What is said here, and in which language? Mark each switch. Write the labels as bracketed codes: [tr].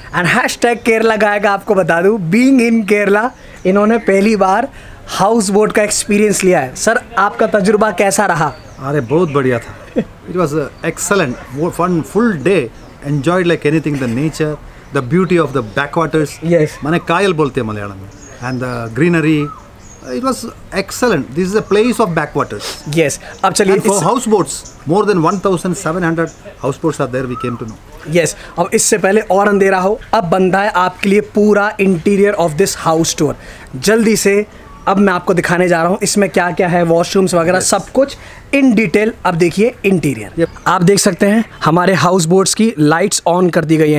[hi] And hashtag Kerala गाएगा, आपको बता दूँ, [en] being in Kerala [hi] इन्होंने पहली बार हाउस बोट का एक्सपीरियंस लिया है. सर आपका तजुर्बा कैसा रहा? अरे बहुत बढ़िया था. [en] It was excellent, वो fun, full day enjoyed like anything. The nature, the beauty of the backwaters, [hi] माने कायल बोलते हैं मलयालम में, [en] And the greenery. It was excellent. This is a place of backwaters. [hi] Yes. अब चलिए. [en] And for houseboats, more than 1,700 houseboats are there. We came to know. Yes. [hi] अब इससे पहले और अंधेरा हो, अब बनता है आपके लिए पूरा [en] Interior of this house tour. [hi] जल्दी से अब मैं आपको दिखाने जा रहा हूँ इसमें क्या क्या है, वॉशरूम्स वगैरह. yes. सब कुछ इन डिटेल. अब देखिए इंटीरियर. [en] yep. [hi] आप देख सकते हैं हमारे हाउस बोट्स की लाइट्स ऑन कर दी गई है.